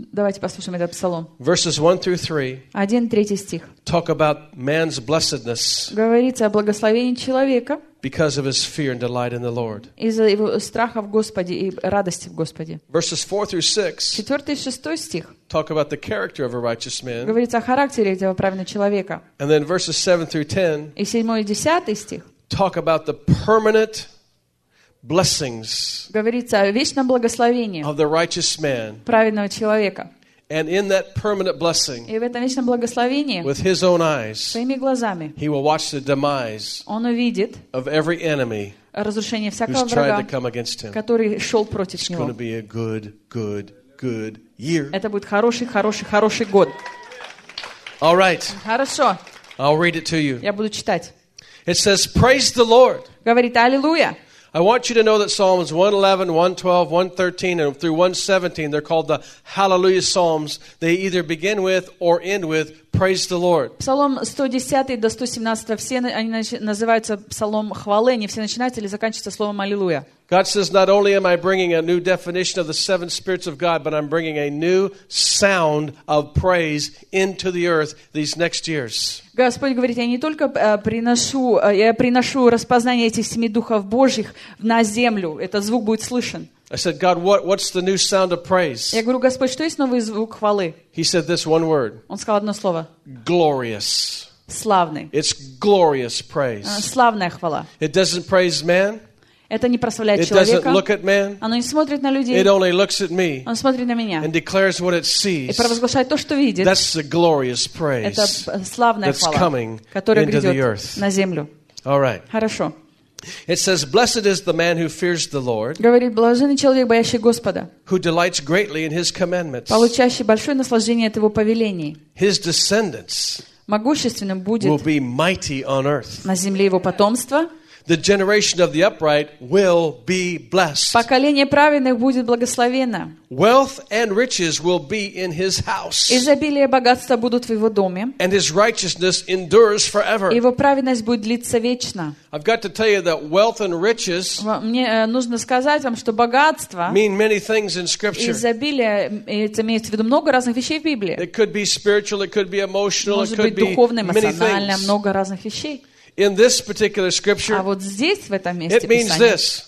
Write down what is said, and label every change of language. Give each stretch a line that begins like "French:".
Russian: Давайте послушаем этот псалом.
English: Verses 1 through 3.
Russian: 1-3 стих.
English: Talk about man's blessedness.
Russian: Говорится о благословении человека.
English: Because of his fear and delight in the Lord.
Russian: Из-за его страха в Господе и радости в Господе.
English: Verses 4 through 6.
Russian: 4-6 стих.
English: Talk about the character of a righteous man.
Russian: Говорится о характере этого праведного человека.
English: And then verses 7 through 10.
Russian: И 7-10 стих.
English: Talk about the permanent blessings.
Russian: Говорится о вечном благословении.
English: Of the righteous man.
Russian: Праведного человека.
English: And in that permanent blessing.
Russian: И в этом вечном благословении.
English: With his own eyes.
Russian: Своими глазами.
English: He will watch the demise.
Russian: Он увидит.
English: Of every enemy.
Russian: Разрушение всякого врага.
English: Who's tried to come against him.
Russian: Который шел против него.
English: It's going to be a good year.
Russian: Это будет хороший год.
English: All right.
Russian: Хорошо.
English: I'll read it to you.
Russian: Я буду читать.
English: It says, "Praise the Lord."
Russian: Говорит аллилуйя.
English: I want you to know that Psalms 111, 112, 113, and through 117, they're called the Hallelujah Psalms. They either begin with or end with "Praise the Lord."
Russian: Псалом 110 до 117 все они называются псалом хвалы, не все начинаются или заканчиваются словом "Аллилуйя."
English: God says, "Not only am I bringing a new definition of the seven spirits of God, but I'm bringing a new sound of praise into the earth these next years."
Russian: Господь говорит, я не только приношу распознание этих семи духов Божьих на землю, этот звук будет слышен.
English: I said, "God, what's the new sound of praise?"
Russian: Я говорю, Господь, что есть новый звук хвалы?
English: He said this one word.
Russian: Он сказал одно слово.
English: Glorious.
Russian: Славный.
English: It's glorious praise.
Russian: Славная хвала.
English: It doesn't praise man.
Russian: Это не прославляет
English: it
Russian: человека.
English: Doesn't look at man.
Russian: Оно не смотрит на людей.
English: It only looks at me.
Russian: Оно смотрит на меня.
English: And declares what it sees.
Russian: И провозглашает то, что видит.
English: That's the glorious praise.
Russian: Это славная
English: that's
Russian: хвала,
English: coming
Russian: которая
English: into
Russian: грядет
English: the earth.
Russian: На землю.
English: All right.
Russian: Хорошо.
English: It says, "Blessed is the man who fears the Lord."
Russian: Говорит, блаженный человек, боящий Господа.
English: Who delights greatly in His commandments.
Russian: Получающий большое наслаждение от Его повелений.
English: His descendants.
Russian: Могущественным будет.
English: Will be mighty on earth.
Russian: На земле его потомство.
English: The generation of the upright will be blessed.
Russian: Поколение праведных будет благословено.
English: Wealth and riches will be in his house.
Russian: Изобилие богатства будут в его доме.
English: And his righteousness endures forever.
Russian: Его праведность будет длиться вечно.
English: I've got to tell you that wealth and riches.
Russian: Мне нужно сказать вам, что богатство.
English: Mean many things in Scripture.
Russian: Изобилие это имеется в виду много разных вещей в Библии.
English: It could be spiritual. It could be emotional.
Russian: Может быть духовно, эмоционально, много разных вещей.
English: In this particular scripture,
Russian: а вот здесь, в этом месте
English: it means this.